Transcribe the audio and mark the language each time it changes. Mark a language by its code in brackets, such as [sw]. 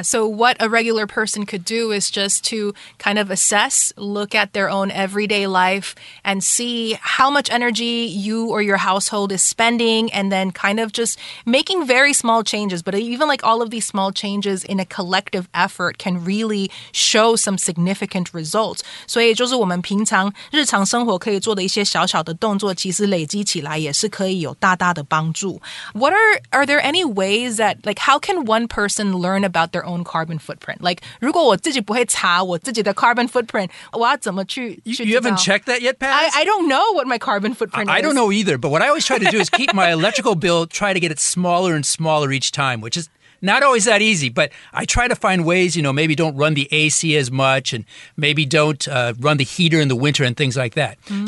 [en] So what a regular person could do is just to kind of assess, look at their own everyday life and see how much energy you or your household is spending, and then kind of just making very small changes. But even like all of these small changes in a collective effort can really show some significant results. [zh] 所以就是我们平常日常生活可以做的一些小小的动作，其实累积起来也是可以有大大的帮助。 [en] Are there any ways that, like, how can one person learn about their own carbon footprint? [zh] Like, 如果我自己不会查我自己的 carbon footprint, 我要怎么去知道? [en] You haven't checked that yet, Paz? I don't know what my carbon footprint is. I don't know either, but what I always try to do is keep my electrical bill, try to get it smaller and smaller each time, which is not always that easy, but I try to find ways, you know, maybe don't run the AC as much and maybe don't run the heater in the winter and things like that. Mm.